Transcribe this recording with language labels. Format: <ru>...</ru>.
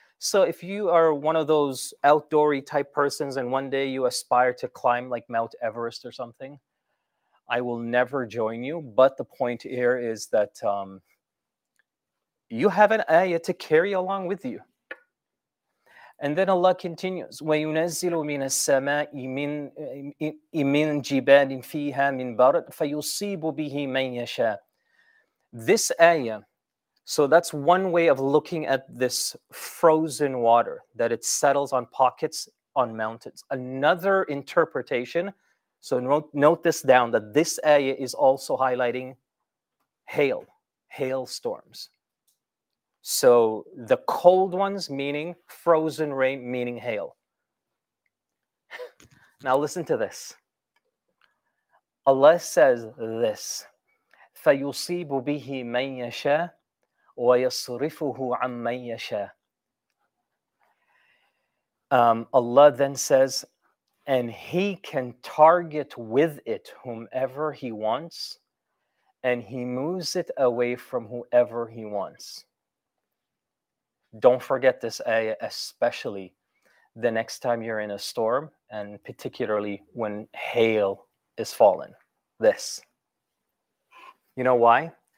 <en>So if you are one of those outdoor-y type persons, and one day you aspire to climb like Mount Everest or something, I will never join you. But the point here is that you have an ayah to carry along with you. And then Allah continues,</en> <ar>وَيُنَزِّلُ مِنَ السَّمَاءِ مِنْ جِبَالٍ فِيهَا مِنْ بَرَدٍ فَيُصِيبُ بِهِ مَنْ يَشَاءُ.</ar> <en>This ayah, so that's one way of looking at this frozen water, that it settles on pockets on mountains. Another interpretation, so note this down, that this ayah is also highlighting hailstorms. So the cold ones meaning frozen rain, meaning hail. Now listen to this. Allah says this,</en> <ar>فَيُصِيبُ بِهِ مَنْ يَشَاءُ وَيَصْرِفُهُ عَنْ مَنْ يَشَاءُ.</ar> <en>Allah then says, and He can target with it whomever He wants, and He moves it away from whoever He wants. Don't forget this ayah, especially the next time you're in a storm, and particularly when hail is falling. This. You know why?</en>